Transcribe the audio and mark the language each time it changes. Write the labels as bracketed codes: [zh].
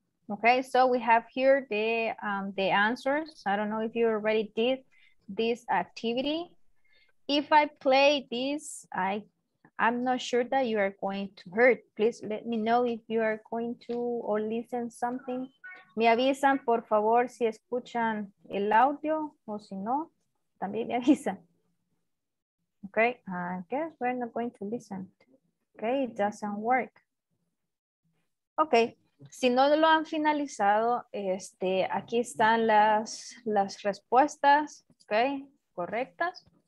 [en] Okay, so we have here the answers. I don't know if you already did this activity. If I play this, I'm not sure that you are going to hurt. Please let me know if you are going to or listen something. [es] Me avisan, por favor, si escuchan el audio o si no, también me avisan. [en] Okay, I guess we're not going to listen. Okay, it doesn't work. [es] Okay, si no lo han finalizado, aquí están las respuestas, okay, correctas.